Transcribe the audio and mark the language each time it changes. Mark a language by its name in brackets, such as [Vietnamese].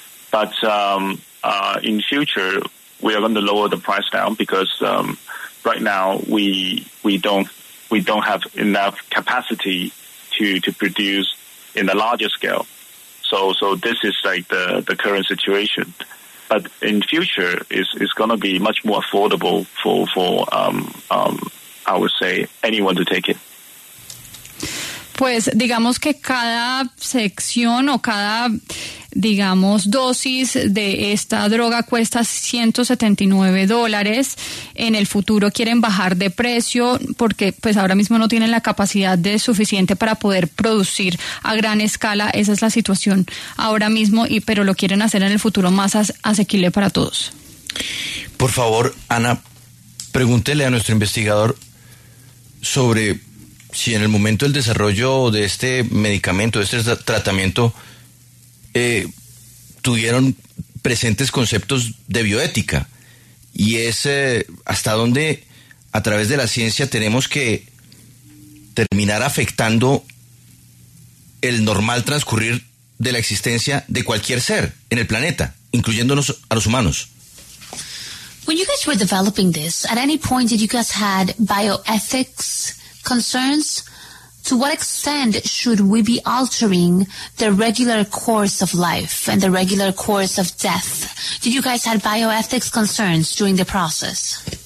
[English] But in future, we are going to lower the price down because right now we don't have enough capacity to produce in a larger scale. So this is like the current situation. But in future, it's going to be much more affordable for I would say anyone to take it. [Spanish] Pues digamos que cada sección o cada, digamos, dosis de esta droga cuesta $179. En el futuro quieren bajar de precio porque pues ahora mismo no tienen la capacidad de suficiente para poder producir a gran escala. Esa es la situación ahora mismo, pero lo quieren hacer en el futuro más asequible para todos. Por favor, Ana, pregúntele a nuestro investigador sobre si en el momento del desarrollo de este medicamento, de este tratamiento, tuvieron presentes conceptos de bioética. Y es hasta dónde, a través de la ciencia, tenemos que terminar afectando el normal transcurrir de la existencia de cualquier ser en el planeta, incluyéndonos a los humanos. [English] When you guys were developing this, at any point did you guys had bioethics concerns? To what extent should we be altering the regular course of life and the regular course of death? Did you guys have bioethics concerns during the process?